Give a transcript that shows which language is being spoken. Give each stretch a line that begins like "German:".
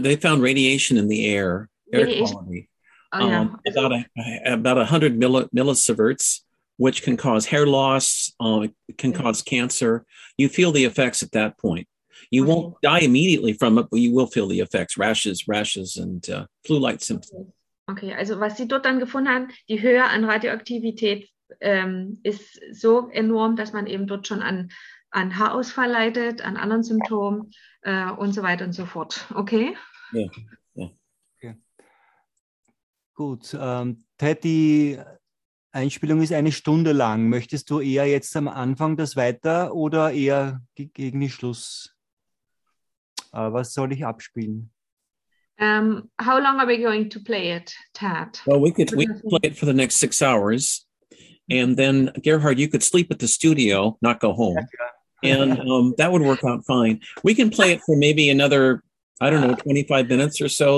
English: They found radiation in the air, air quality. About 100 millisieverts, which can cause hair loss, can cause cancer. You feel the effects at that point. You won't die immediately from it, but you will feel the effects, rashes and flu-like symptoms.
German: Okay, also was sie dort dann gefunden haben, die Höhe an Radioaktivität ist so enorm, dass man eben dort schon an Haarausfall leidet, an anderen Symptomen und so weiter und so fort. Okay? Ja. Gut, Ted, die Einspielung ist eine Stunde lang. Möchtest du eher jetzt am Anfang das weiter oder eher gegen den Schluss? Was soll ich abspielen?
English: How long are we going to play it, Ted? Well, we could play it for the next 6 hours. And then, Gerhard, you could sleep at the studio, not go home. And that would work out fine. We can play it for maybe another, 25 minutes or so.